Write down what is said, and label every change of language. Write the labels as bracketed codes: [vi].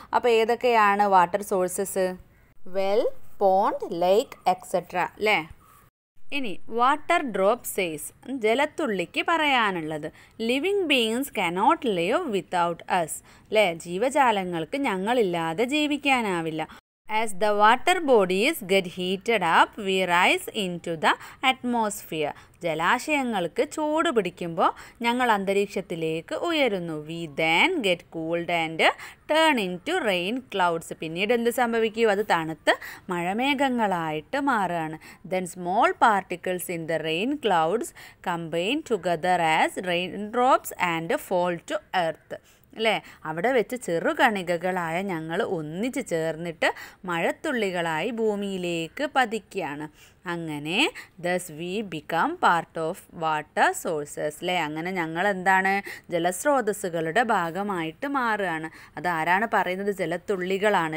[ml] അപ്പോൾ ഏതൊക്കെയാണ് water sources? Well, pond, ലേക്ക് etcetera. അല്ലേ, ഇനി വാട്ടർ ഡ്രോപ്പ് സേസ്, ജലത്തുള്ളിക്ക് പറയാനുള്ളത്. [en] Living beings cannot live without us. അല്ലേ, [ml] ജീവജാലങ്ങൾക്ക് ഞങ്ങളില്ലാതെ ജീവിക്കാനാവില്ല. [en] As the water bodies get heated up, we rise into the atmosphere. [ml] ജലാശയങ്ങൾക്ക് ചൂട് പിടിക്കുമ്പോൾ ഞങ്ങൾ അന്തരീക്ഷത്തിലേക്ക് ഉയരുന്നു. [en] We then get cooled and turn into rain clouds. [ml] പിന്നീട് എന്ത് സംഭവിക്കും? അത് തണുത്ത് മഴമേഘങ്ങളായിട്ട് മാറുകയാണ്. [en] Then small particles in the rain clouds combine together as raindrops and fall to earth. [ml] അല്ലേ, അവിടെ വെച്ച് ചെറുകണികകളായ ഞങ്ങൾ ഒന്നിച്ച് ചേർന്നിട്ട് മഴത്തുള്ളികളായി ഭൂമിയിലേക്ക് പതിക്കുകയാണ്. [en] അങ്ങനെ thus we become part of water sources. [ml] അല്ലേ, അങ്ങനെ ഞങ്ങൾ എന്താണ്, ജലസ്രോതസ്സുകളുടെ ഭാഗമായിട്ട് മാറുകയാണ്. അതാരാണ് പറയുന്നത്? ജലത്തുള്ളികളാണ്.